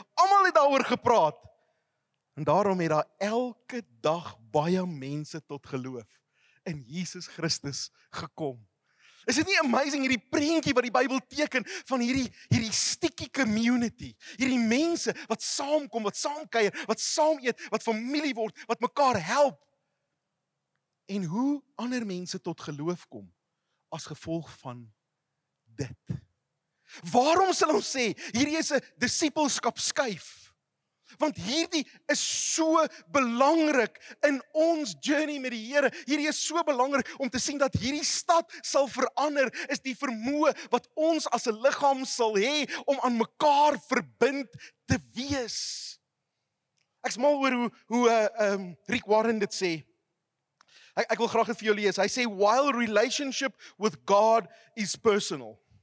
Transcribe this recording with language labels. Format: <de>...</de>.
<af>Almal het daaroor gepraat. En daarom het daar elke dag baie mense tot geloof in Jesus Christus gekom. Is dit nie amazing hierdie prentjie wat die Bybel teken van hierdie sticky community? Hierdie mense wat saamkom, wat saamkuier, wat saam eet, wat familie word, wat mekaar help. En hoe ander mense tot geloof kom as gevolg van dit. Waarom sal ons sê, hierdie is 'n disipelskap skuif? Want hierdie is so belangrik in ons journey met die Here. Hierdie is so belangrik om te sien dat hierdie stad sal verander, is die vermoë wat ons as 'n liggaam sal hê om aan mekaar verbind te wees. Ek smal oor hoe Rick Warren dit sê. Ek wil graag dit vir jou lees. Hy sê,</af> <en>while relationship with God is personal.</en>